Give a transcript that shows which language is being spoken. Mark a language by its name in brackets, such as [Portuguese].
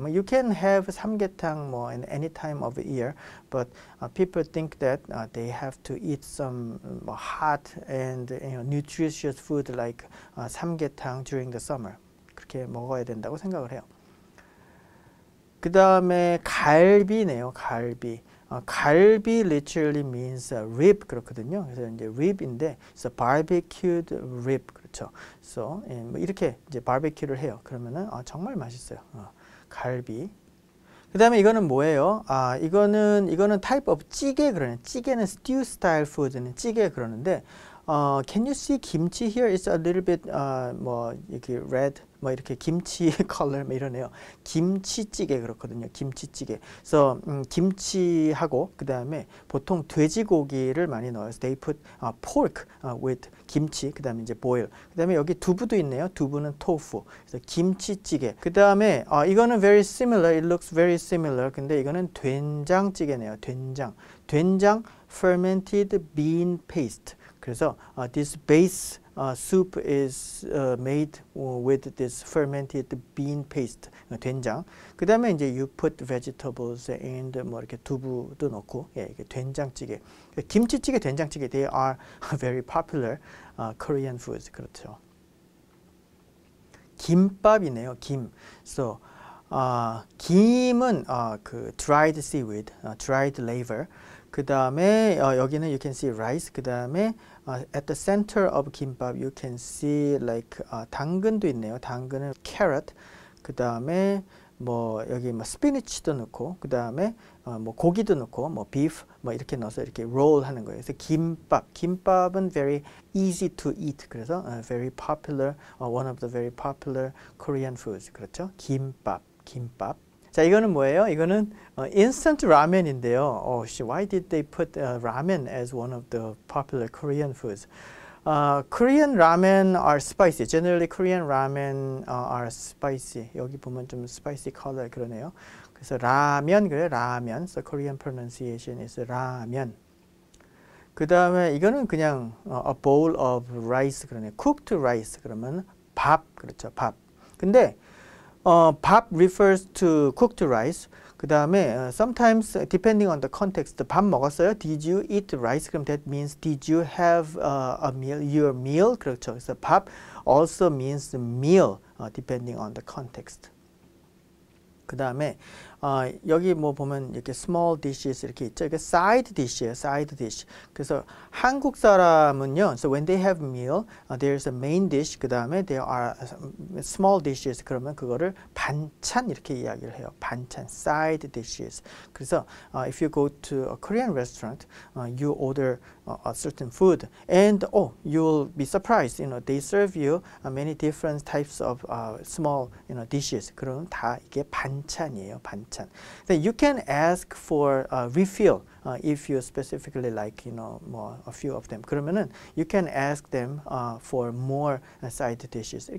[English] You can have 삼계탕 뭐 in any time of the year, but people think that they have to eat some hot and you know, nutritious food like 삼계탕 during the summer. [Korean] 이렇게 먹어야 된다고 생각을 해요. 그 다음에 갈비네요. 갈비. 갈비 [English] literally means rib [Korean] 그렇거든요. 그래서 이제 rib인데 [English] so barbecued rib [Korean] 그렇죠. So 이렇게 이제 바베큐를 해요. 그러면은 정말 맛있어요. 갈비. 그 다음에 이거는 뭐예요? 이거는 [English] type of 찌개 [Korean] 그러네. 찌개는 [English] stew style food는 [Korean] 찌개 그러는데 [English] can you see 김치 here? It's a little bit [Korean] 뭐 이렇게 red 뭐 이렇게 김치 컬러 뭐 이러네요. 김치찌개 그렇거든요. 김치찌개. So 김치하고 그 다음에 보통 돼지고기를 많이 넣어서 [English] they put pork with [Korean] 김치. 그 다음에 이제 boil. 그 다음에 여기 두부도 있네요. 두부는 tofu. 그래서 김치찌개. 그 다음에 이거는 [English] very similar. It looks very similar. [Korean] 근데 이거는 된장찌개네요. 된장. 된장 [English] fermented bean paste. [Korean] 그래서 [English] this base soup is made with this fermented bean paste, 된장. [Korean] 그 다음에 이제 [English] you put vegetables and [Korean] 뭐 이렇게 두부도 넣고, 예, 이게 된장찌개. [English] 김치찌개, 된장찌개, they are very popular Korean foods, [Korean] 그렇죠. 김밥이네요, 김. So, 김은 그 [English] dried seaweed, dried liver. [Korean] 그 다음에 여기는 [English] you can see rice, [Korean] 그 다음에 [English] At the center of 김밥, you can see like [Korean] 당근도 있네요. 당근은 carrot. 그 다음에 뭐 여기 뭐 스피니치도 넣고, 그 다음에 뭐 고기도 넣고, 뭐 beef 뭐 이렇게 넣어서 이렇게 roll 하는 거예요. 그래서 김밥. [English] 김밥은 very easy to eat. 그래서 very popular, one of the very popular Korean foods. [Korean] 그렇죠? 김밥, 김밥. 자, 이거는 뭐예요? 이거는 인스턴트 라면인데요. [English] Oh, why did they put ramen as one of the popular Korean foods? Korean ramen are spicy. Generally, Korean ramen are spicy. [Korean] 여기 보면 좀 [English] spicy color [Korean] 그러네요. 그래서 라면 그래, 라면. [English] So Korean pronunciation is 라면. [Korean] 그 다음에 이거는 그냥 [English] a bowl of rice [Korean] 그러네. [English] Cooked rice [Korean] 그러면 밥 그렇죠, 밥. 근데 밥 [English] refers to cooked rice. [Korean] 그 다음에 [English] sometimes depending on the context, [Korean] 밥 먹었어요? [English] Did you eat rice? 그럼 that means did you have a meal, your meal? [Korean] 그렇죠. 그래서 [English] 밥 also means meal depending on the context. [Korean] 그 다음에 여기 뭐 보면 이렇게 [English] small dishes [Korean] 이렇게 있죠. 이게 [English] side dish예요, side dish. [Korean] 그래서 한국 사람은요, [English] so when they have meal, there's a main dish. [Korean] 그 다음에 [English] there are small dishes. [Korean] 그러면 그거를 반찬 이렇게 이야기를 해요. 반찬, [English] side dishes. 그래서 if you go to a Korean restaurant, you order a certain food, and oh, you'll be surprised. You know, they serve you many different types of small, you know, dishes. [Korean] 그럼 다 이게 반찬이에요, 반찬. [English] Then you can ask for a refill if you specifically like, you know, more, a few of them. [Korean] 그러면은 [English] you can ask them for more side dishes.